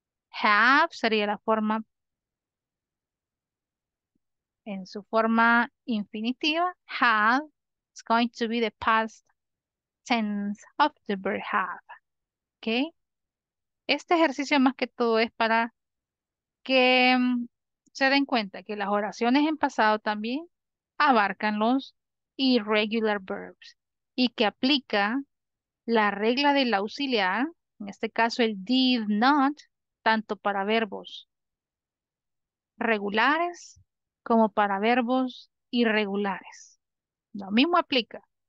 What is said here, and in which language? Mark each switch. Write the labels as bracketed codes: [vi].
[es] Have sería la forma en su forma infinitiva. [en] Had. It's going to be the past tense of the verb have. Okay. [es] Este ejercicio más que todo es para que se den cuenta que las oraciones en pasado también abarcan los [en] irregular verbs [es] y que aplica la regla del auxiliar, en este caso el [en] did not, [es] tanto para verbos regulares como para verbos irregulares. Lo mismo aplica.